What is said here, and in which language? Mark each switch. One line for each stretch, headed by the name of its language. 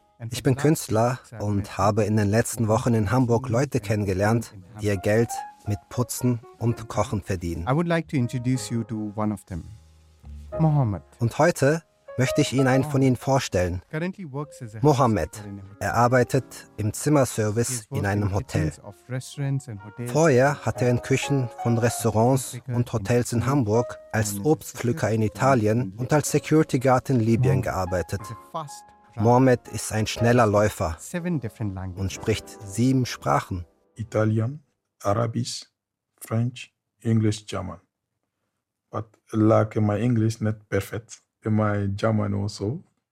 German: Ich bin Künstler und habe in den letzten Wochen in Hamburg Leute kennengelernt, die ihr Geld mit Putzen und Kochen verdienen.
English: I would like to introduce you to one of them, Mohammed.
German: Und heute möchte ich Ihnen einen von ihnen vorstellen. Mohammed. Er arbeitet im Zimmerservice in einem Hotel. Vorher hat er in Küchen von Restaurants und Hotels in Hamburg als Obstpflücker in Italien und als Security Guard in Libyen gearbeitet. Mohammed ist ein schneller Läufer und spricht 7 Sprachen. Italien, Arabisch,
English: French, English, German. But like my English not perfect, my German also.